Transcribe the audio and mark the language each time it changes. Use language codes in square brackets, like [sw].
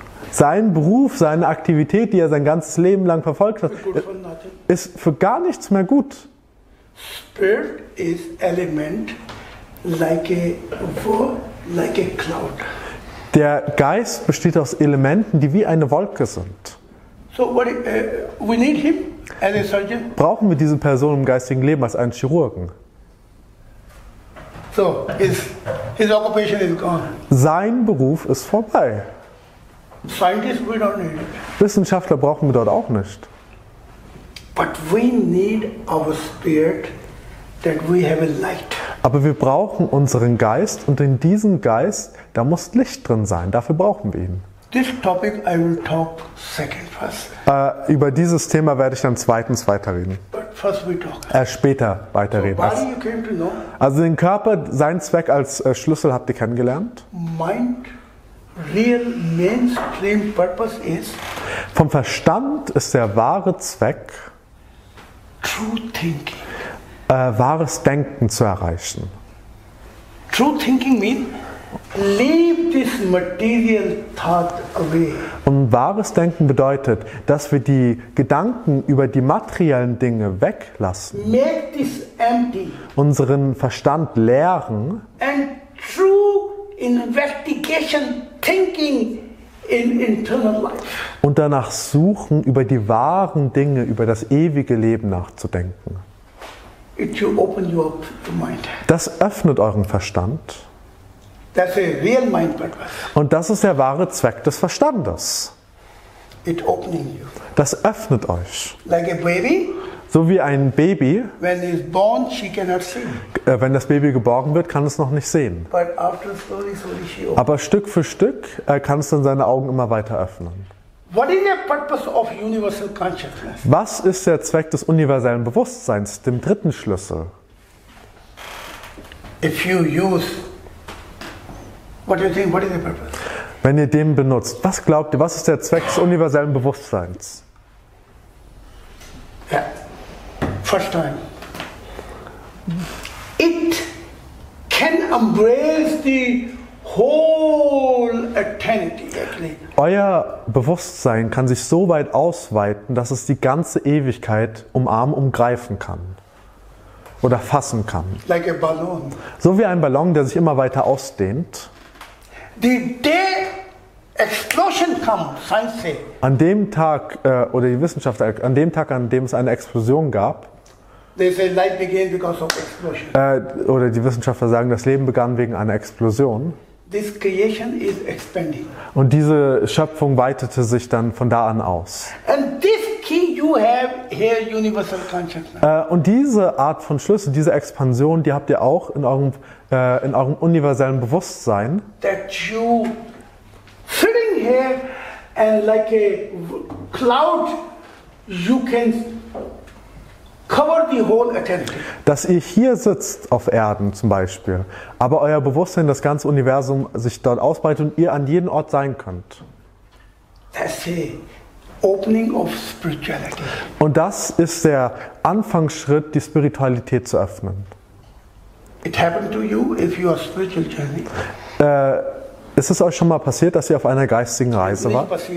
[de] Sein Beruf, seine Aktivität, die er sein ganzes Leben lang verfolgt hat, ist für gar nichts mehr gut. [en] Spirit is element like a wolf, like a cloud. [de] Der Geist besteht aus Elementen, die wie eine Wolke sind. [en] So what, we need him as a surgeon? [de] Brauchen wir diese Person im geistigen Leben als einen Chirurgen? [en] So his occupation is gone. [de] Sein Beruf ist vorbei. [en] Scientists, we don't need. [de] Wissenschaftler brauchen wir dort auch nicht. [en] But we need our spirit that we have a light. [de] Aber wir brauchen unseren Geist und in diesem Geist, da muss Licht drin sein. Dafür brauchen wir ihn. [en] This topic I will talk second first. [de] Über dieses Thema werde ich dann zweitens weiterreden. [en] But first we talk. [de] Später weiterreden. [en] So body you came to know. [de] Also den Körper, seinen Zweck als Schlüssel habt ihr kennengelernt. [en] Mind. Real mainstream purpose is [de] vom Verstand ist der wahre Zweck [en] true thinking. [de] Wahres Denken zu erreichen. [en] True thinking means leave this material thought away. [de] Und wahres Denken bedeutet, dass wir die Gedanken über die materiellen Dinge weglassen. [en] Make this empty. [de] Unseren Verstand leeren. [en] And true investigation thinking in internal life. [de] Und danach suchen, über die wahren Dinge, über das ewige Leben nachzudenken. [en] It will open your mind. [de] Das öffnet euren Verstand. [en] That's a real mind purpose. [de] Und das ist der wahre Zweck des Verstandes. [en] It opening you. [de] Das öffnet euch. [en] Like a baby. [de] So wie ein Baby. [en] When it's born, she cannot see. [de] Wenn das Baby geborgen wird, kann es noch nicht sehen. [en] But after slowly, slowly she opens. [de] Aber Stück für Stück kann es dann seine Augen immer weiter öffnen. [en] What is the purpose of universal consciousness? [de] Was ist der Zweck des universellen Bewusstseins, dem dritten Schlüssel? [en] If you use, what do you think, what is the purpose? [de] Wenn ihr den benutzt, was glaubt ihr, was ist der Zweck des universellen Bewusstseins? [en] Ja. Yeah. First time. It can embrace the whole eternity. [de] Euer Bewusstsein kann sich so weit ausweiten, dass es die ganze Ewigkeit umarmen, umgreifen kann. Oder fassen kann. [en] Like a balloon. [de] So wie ein Ballon, der sich immer weiter ausdehnt. [en] The day explosion comes, science say. [de] An dem Tag, oder die Wissenschaft, an dem Tag, an dem es eine Explosion gab, [en] they say life began because of explosion. [de] Oder die Wissenschaftler sagen, das Leben begann wegen einer Explosion. [en] This creation is expanding. [de] Und diese Schöpfung weitete sich dann von da an aus. [en] And this key you have here, universal consciousness. [de] Und diese Art von Schlüssel, diese Expansion, die habt ihr auch in eurem universellen Bewusstsein. [en] That you sitting here and like a cloud, you can cover the whole eternity. [de] Dass ihr hier sitzt auf Erden zum Beispiel, aber euer Bewusstsein, das ganze Universum sich dort ausbreitet und ihr an jedem Ort sein könnt. [en] That's the opening of spirituality. [de] Und das ist der Anfangsschritt, die Spiritualität zu öffnen. [en] It happened to you if you are spiritual journey. [de] Ist es euch schon mal passiert, dass ihr auf einer geistigen Reise wart?